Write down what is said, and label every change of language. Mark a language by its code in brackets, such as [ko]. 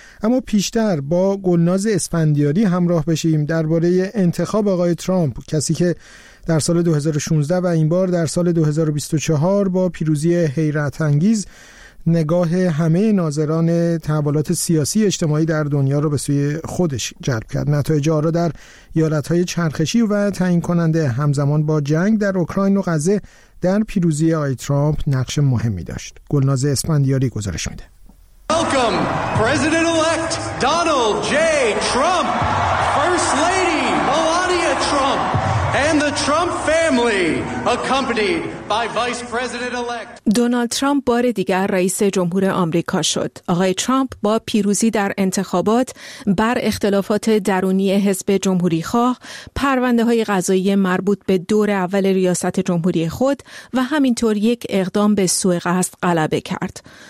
[fa] اما پیشتر با گلناز اسفندیاری همراه بشیم درباره انتخاب آقای ترامپ، کسی که در سال 2016 و این بار در سال 2024 با پیروزی حیرت انگیز نگاه همه ناظران تحولات سیاسی اجتماعی در دنیا رو به سوی خودش جلب کرد. نتایج آرا در ایالت‌های چرخشی و تعیین کننده همزمان با جنگ در اوکراین و غزه در پیروزی آقای ترامپ نقش مهمی داشت. گلناز اسفندیاری گزارش میده. [en] Welcome President elect Donald J Trump, First Lady Melania Trump and the Trump family accompanied by Vice President elect. [fa] دونالد ترامپ بار دیگر رئیس جمهور آمریکا شد. آقای ترامپ با پیروزی در انتخابات بر اختلافات درونی حزب جمهوری خواه، پرونده‌های قضایی مربوط به دور اول ریاست جمهوری خود و همینطور یک اقدام به سوء قصد غلبه کرد.